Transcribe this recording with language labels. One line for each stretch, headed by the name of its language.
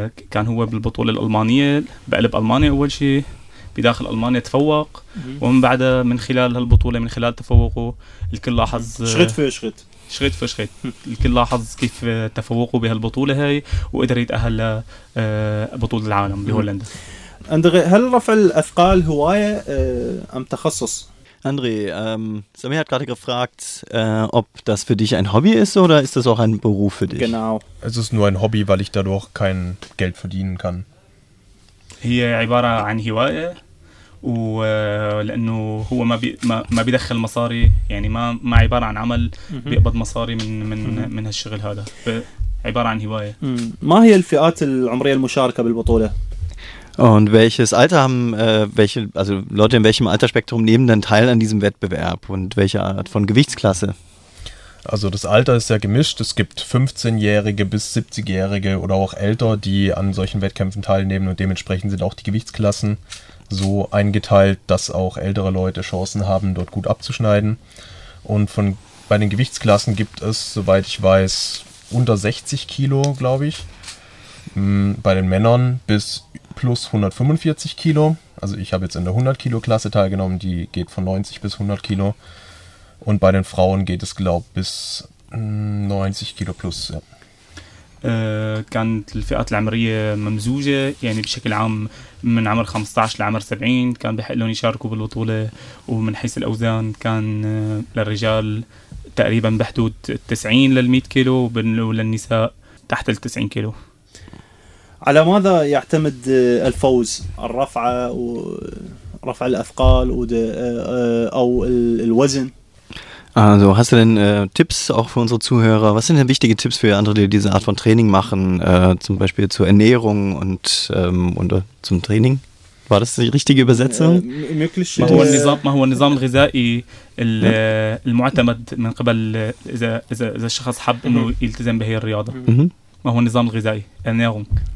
Arabic: كان هو بالبطولة الألمانية بقلب ألمانيا أول شيء بداخل ألمانيا تفوق ومن بعدها من خلال هالبطولة من خلال تفوقه الكل لاحظ شريت في شريت الكل لاحظ كيف تفوقه بهالبطولة هاي وقدر يتأهل لبطولة العالم بهولندا. أندري، هل رفع الأثقال هواية أم تخصص؟
German: André, Samir hat gerade gefragt, ob das für dich ein Hobby ist oder ist das auch ein Beruf für dich? Genau. Es ist nur ein Hobby, weil ich dadurch kein Geld verdienen kann.
Arabic: Hier عبارة عن هواية ولأنه هو ما بيدخل مصاري يعني ما عبارة عن عمل بيقبض مصاري من من من هالشغل هذا عبارة عن هواية. ما هي الفئات العمرية المشاركة بالبطولة؟
German: Und welches Alter haben, welche, also Leute in welchem Altersspektrum nehmen denn teil an diesem Wettbewerb und welche Art von Gewichtsklasse? Also das Alter ist sehr gemischt. Es gibt 15-Jährige bis 70-Jährige oder auch älter, die an solchen Wettkämpfen teilnehmen und dementsprechend sind auch die Gewichtsklassen so eingeteilt, dass auch ältere Leute Chancen haben, dort gut abzuschneiden. Und von bei den Gewichtsklassen gibt es, soweit ich weiß, unter 60 Kilo, glaube ich, bei den Männern bis plus 145 Kilo, also ich habe jetzt in der 100 Kilo Klasse teilgenommen, die geht von 90 bis 100 Kilo und bei den Frauen geht es glaube ich bis 90 Kilo plus. Ja.
Arabic: كانت الفئات العمرية ممزوجة يعني بشكل عام من عمر 15 لعمر 70 كان بحق لهم يشاركوا بالبطولة ومن حيث الأوزان كان للرجال تقريبا بحدود 90 لل 100 كيلو وللنساء تحت ال 90 كيلو. على ماذا يعتمد الفوز؟ الرفعة ورفع الأثقال أو الوزن؟
German: Also hast du denn Tipps auch für unsere Zuhörer? Was sind denn wichtige Tipps für andere, die diese Art von Training machen, zum Beispiel zur Ernährung und zum Training? War das die richtige Übersetzung? Möglich.
Arabic: ما هو النظام الغذائي المعتمد من قبل إذا الشخص حب إنه يلتزم بهي الرياضة؟ ما هو النظام الغذائي؟ Ernährung.